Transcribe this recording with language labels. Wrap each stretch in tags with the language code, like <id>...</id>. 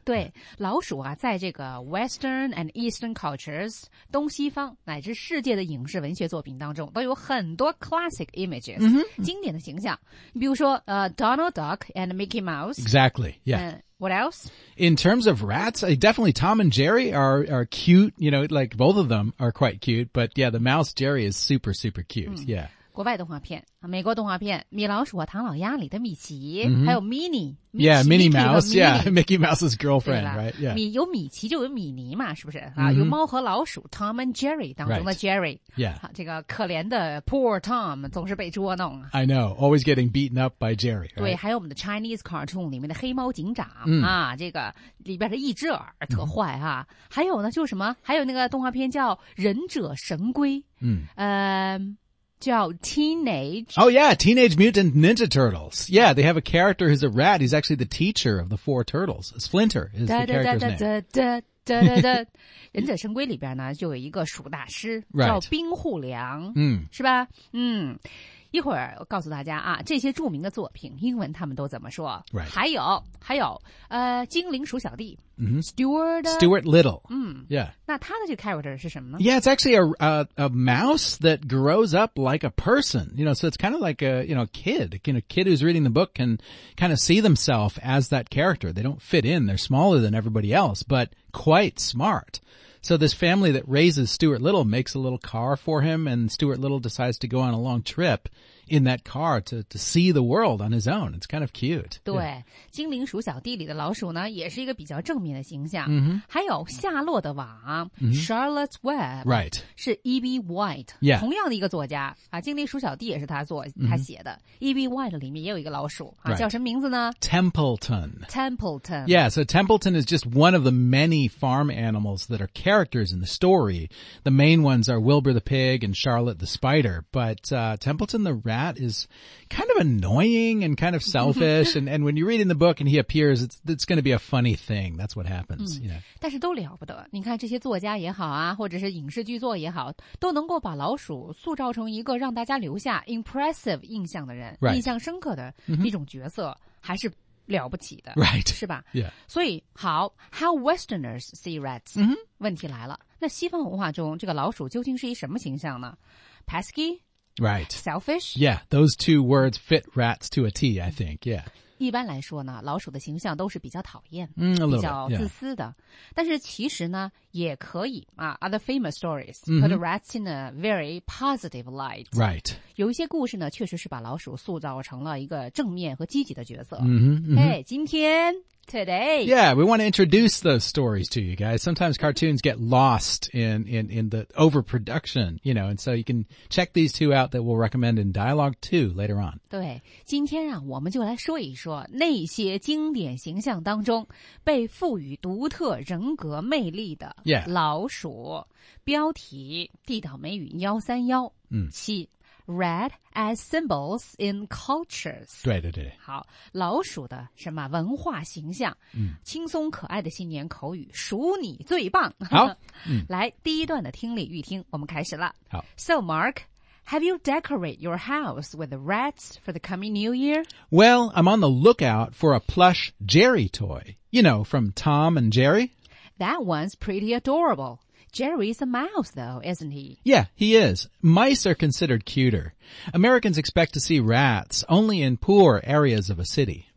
<zh>对，老鼠啊，在这个</zh> <en>Western and Eastern cultures,</en> <zh>东西方乃至世界的影视文学作品当中都有很多</zh> <en>classic images,、 mm-hmm.</en> <zh>经典的形象。比如说、Donald Duck and Mickey Mouse.</zh> <en>Exactly, yeah. What else? In terms of rats, definitely Tom and Jerry are cute, you know, like both of them are quite cute, but yeah, the mouse Jerry is super, super cute,、yeah.</en> <zh>国外动画片。美国动画片米老鼠和唐老鸭里的米奇、 mm-hmm. 还有 Minnie</zh> <en>Yeah, Minnie Mouse Minnie. Yeah, Mickey Mouse's girlfriend Right, yeah</en> <zh>有米奇就有米妮嘛是不是、 mm-hmm. 有猫和老鼠 Tom and Jerry 当中的 Jerry、</zh> <en>right. Yeah</en> <zh>这个可怜的 Poor Tom 总是被捉弄</zh> <en>I know Always getting beaten up by Jerry、right?</en> <zh>对还有我们的</zh> <en>Chinese cartoon</en> <zh>里面的黑猫警长、 mm-hmm. 啊，这个里边的一只耳特坏、mm-hmm. 还有呢就什么还有那个动画片叫忍者神龟叫 Teenage.</zh> <en>Oh yeah, Teenage Mutant Ninja Turtles. Yeah, they have a character who's a rat. He's actually the teacher of the four turtles. Splinter is the character's name.</en> <zh>忍者神龟里边呢就有一个鼠大师、</zh> <en>right.</en> <zh>叫冰户良、 mm. 是吧一会儿我告诉大家啊这些著名的作品英文他们都怎么说、</zh> <en>right.</en> <zh>还有精灵鼠小弟、 mm-hmm.</zh> <en>Stuart Little、</en> <zh>yeah. 那他的这个 character 是什么呢</zh> <en>Yeah, it's actually a mouse that grows up like a person, you know, so it's kind of like a, you know, kid, you know, kid who's reading the book can kind of see themselves as that character. They don't fit in. They're smaller than everybody else, but quite smart. So this family that raises Stuart Little makes a little car for him, and Stuart Little decides to go on a long trip in that car to see the world on his own. It's kind of cute.</en> <zh>对、yeah. 精灵鼠小弟里的老鼠呢也是一个比较正面的形象。 Mm-hmm. 还有夏洛的网、 mm-hmm.</zh> <en>Charlotte's Web. Right.</en> <zh>是 E.B. White.</zh> <en>Yeah.</en> <zh>同样的一个作家、啊、精灵鼠小弟也是他写的。 Mm-hmm. E.B. White 里面也有一个老鼠、啊</zh> <en>right.</en> <zh>叫什么名字呢</zh> <en>Templeton. Templeton. Yeah, so Templeton is just one of the many farm animals that are characters in the story. The main ones are Wilbur the pig and Charlotte the spider. But、Templeton the rat is kind of annoying and kind of selfish and when you read in the book and he appears it's going to be a funny thing that's what happens、you know</en> <zh>但是都了不得你看这些作家也好啊或者是影视剧作也好都能够把老鼠塑造成一个让大家留下 impressive 印象的人、</zh> <en>right.</en> <zh>印象深刻的一种角色、 mm-hmm. 还是了不起的</zh> <en>Right</en> <zh>是吧、</zh> <en>yeah.</en> <zh>所以好</zh> <en>How Westerners see rats、 mm-hmm.</en> <zh>问题来了那西方文化中这个老鼠究竟是一什么形象呢 Pesky</zh> <en>Right Selfish Yeah those two words fit rats to a T I think Yeah</en> <zh>一般来说呢老鼠的形象都是比较讨厌、 mm, 比较自私的、</zh> <en>yeah.</en> <zh>但是其实呢也可以啊</zh> <en>other famous stories put rats in a very positive light right</en> <zh>有一些故事呢确实是把老鼠塑造成了一个正面和积极的角色嗯、mm-hmm,</zh> <en>嗯、mm-hmm. hey, 今天 today yeah we want to introduce those stories to you guys sometimes cartoons get lost in the overproduction you know and so you can check these two out that we'll recommend in dialogue 2 later on</en> <zh>对今天啊我们就来说一说那些经典形象当中被赋予独特人格魅力的</zh> <en>Yeah.</en> <zh>老鼠标题地岛美语 1317、</zh> <en>嗯、Red as symbols in cultures</en> <zh>对对对好老鼠的什么文化形象、嗯、轻松可爱的新年口语鼠你最棒好、嗯、来第一段的听力预听我们开始了好</zh> <en>So Mark Have you decorated your house with rats for the coming New Year? Well I'm on the lookout for a plush Jerry toy You know from Tom and Jerry That one's pretty adorable. Jerry's a mouse, though, isn't he? Yeah, he is. Mice are considered cuter. Americans expect to see rats only in poor areas of a city.</en>